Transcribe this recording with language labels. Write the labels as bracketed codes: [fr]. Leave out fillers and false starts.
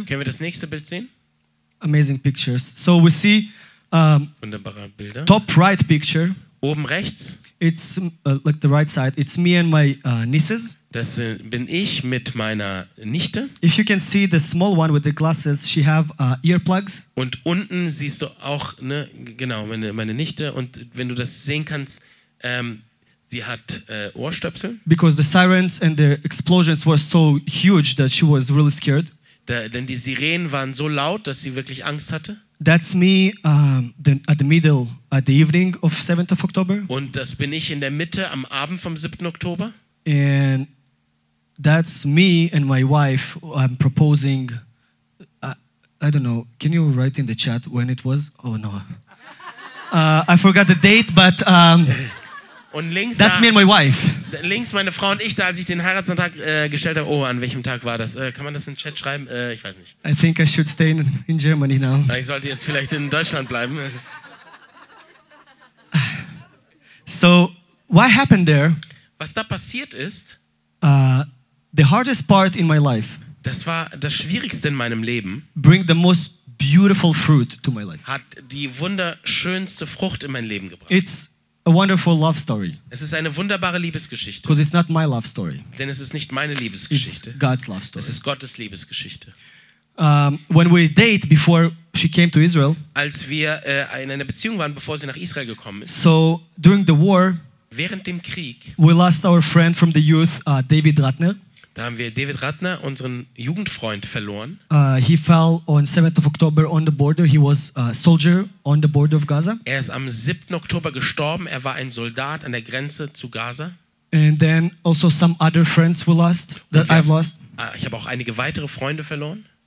[de] Können wir das nächste Bild sehen? [en] Amazing pictures. So we see. [de] Wunderbare Bilder. [en] Top right picture. [de] Oben rechts. [en] It's like the right side. It's me and my nieces. [de] Das bin ich mit meiner Nichte. [en] If you can see the small one with the glasses, she have earplugs. [de] Und unten siehst du auch ne, genau meine Nichte. Und wenn du das sehen kannst, sie hat Ohrstöpsel. [en] Because the sirens and the explosions were so huge that she was really scared. [de] Denn die Sirenen waren so laut, dass sie wirklich Angst hatte. [en] That's me at the middle at the evening of 7th of October. [de] Und das bin ich in der Mitte am Abend vom 7. Oktober. [en] And that's me and my wife I'm proposing I don't know. Can you write in the chat when it was? Oh no. I forgot the date but [de] Und links [en] that's [de] da, [en] me and my wife. [de] Links meine Frau und ich, da als ich den Heiratsantrag gestellt habe. Oh, an welchem Tag war das? Kann man das in den Chat schreiben? Ich weiß nicht. [en] I think I should stay in Germany now. [de] Ich sollte jetzt vielleicht in Deutschland bleiben. [en] So, what happened there? [de] Was da passiert ist? [en] The hardest part in my life. [de] Das war das Schwierigste in meinem Leben. [en] Bring the most beautiful fruit to my life. [de] Hat die wunderschönste Frucht in mein Leben gebracht. [en] It's a wonderful love story. [de] Es ist eine wunderbare Liebesgeschichte. [en] Because it's not my love story. [de] Denn es ist nicht meine Liebesgeschichte. [en] It's God's love story. [de] Es ist Gottes Liebesgeschichte. [en] When we date before she came to Israel. [de] Als wir in einer Beziehung waren, bevor sie nach Israel gekommen ist. [en] So during the war. [de] Während dem Krieg. [en] We lost our friend from the youth, David Ratner. [de] Da haben wir David Ratner, unseren Jugendfreund, verloren. [en] He fell on 7th of October on the border. He was a soldier on the border of Gaza. [de] Er ist am 7. Oktober gestorben. Er war ein Soldat an der Grenze zu Gaza. [en] And then also some other friends we lost, that I've lost. [de] Ich habe auch einige weitere Freunde verloren.